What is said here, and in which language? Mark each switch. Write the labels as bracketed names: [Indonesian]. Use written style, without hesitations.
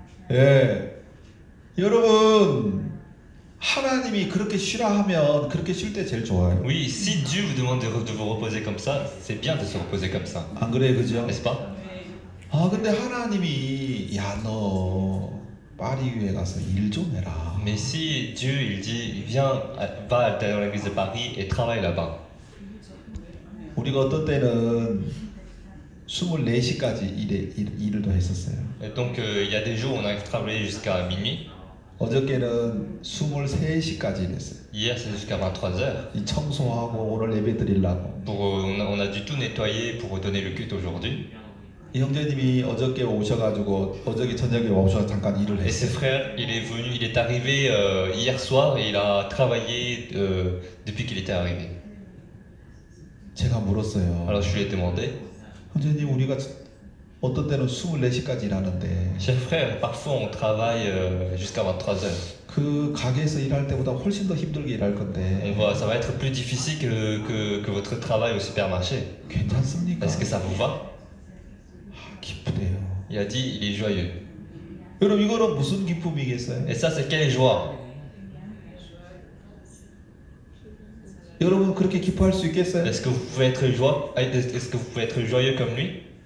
[Korean] 예, 여러분 하나님이 그렇게 쉬라 하면 그렇게 쉴때 제일 좋아요. [French] Oui, si Dieu vous demande de vous reposer comme ça, c'est bien de se reposer comme ça, [Korean] 안 그래, 그죠? [French] n'est-ce pas? [Korean] 아, 근데 하나님이 야, 너 파리 교회 가서 일좀 해라. [French] Mais si Dieu il dit, viens, va dans l'église de Paris et travaille là-bas. [Korean] 우리가 어떤 때는 24시까지 일을 더 했었어요. [French] Donc, il y a des jours où on arrive à travailler jusqu'à minuit. [Korean] 어저께는 23시까지 일했어요. [French] Hier, c'est jusqu'à 23h. [Korean] 이 청소하고 오늘 예배 드리려고. [French] On a dû tout nettoyer pour donner le culte aujourd'hui. [Korean] 이 형제님이 어저께 오셔가지고 어저께 저녁에 오셔서 잠깐 일을 [French] Et ce [Korean] 했어요. [French] frère, il est venu, il est arrivé hier soir et il a travaillé depuis qu'il était arrivé. [Korean] 제가 [French] Alors je [Korean] 물었어요. [French] lui ai demandé. [Korean] 형제님, 우리가 어떤 때는 24시까지 일하는데 [French] Chers frères, parfois on travaille jusqu'à 23h. [Korean] 그 가게에서 일할 때보다 훨씬 더 힘들게 일할 [French] On [Korean] 건데 [French] voit, ça va être plus difficile que votre travail au supermarché. [Korean] 괜찮습니까? [French] Est-ce que ça vous va? [Korean] 기쁘대요. [French] Il a dit, il est joyeux. [Korean] 여러분, 이거는 무슨 기쁨이겠어요? [French] Et ça, c'est quelle joie? [Korean] 여러분, 그렇게 기뻐할 수 있겠어요? [French] Est-ce que vous pouvez être joie? Est-ce que vous pouvez être joyeux comme lui?